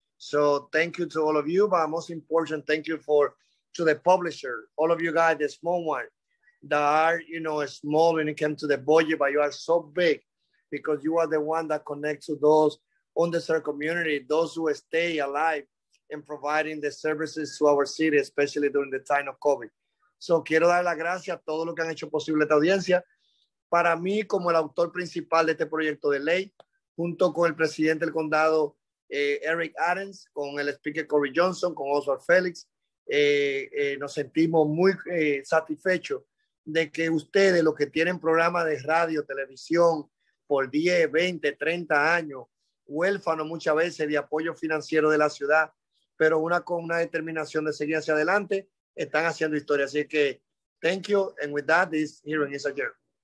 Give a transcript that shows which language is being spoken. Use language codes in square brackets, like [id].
[en] So thank you to all of you, but most important, thank you to the publisher, all of you guys, the small one, that are, you know, small when it came to the budget, but you are so big, because you are the one that connects to those underserved community, those who stay alive and providing the services to our city, especially during the time of COVID. [es] So quiero dar las gracias a todos los que han hecho posible esta audiencia. Para mí, como el autor principal de este proyecto de ley, junto con el presidente del condado, Eric Adams, con el speaker Corey Johnson, con Oswald Félix, nos sentimos muy satisfechos de que ustedes, los que tienen programas de radio, televisión, por 10, 20, 30 años, huérfano muchas veces de apoyo financiero de la ciudad, pero con una determinación de seguir hacia adelante, están haciendo historia. Así que, [en] thank you, and with that, this hearing is adjourned.